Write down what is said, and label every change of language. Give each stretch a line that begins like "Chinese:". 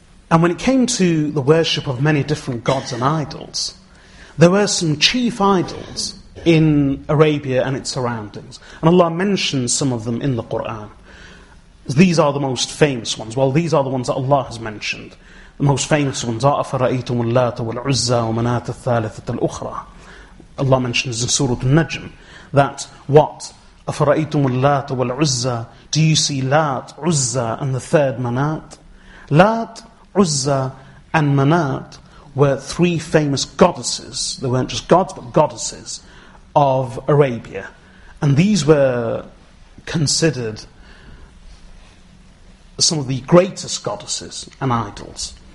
English: And when it came to the worship of many different gods and idols, there were some chief idols in Arabia and its surroundings. And Allah mentions some of them in the Quran. These are the most famous ones. Well, these are the ones that Allah has mentioned. The most famous ones are
Arabic: أَفَرَأَيْتُمُ اللَّاتَ وَالْعُزَّى وَمَنَاةَ الثَّالِثَةَ الْأُخْرَى.
English: Allah mentions in Surah An-Najm that what?
Arabic: أَفَرَأَيْتُمُ اللَّاتَ وَالْعُزَّى.
English: Do you see Lat, Uzza, and the third Manat? Lat, Uzza, and Manat were three famous goddesses. They weren't just gods, but goddesses of Arabia, and these were considered some of the greatest goddesses and idols.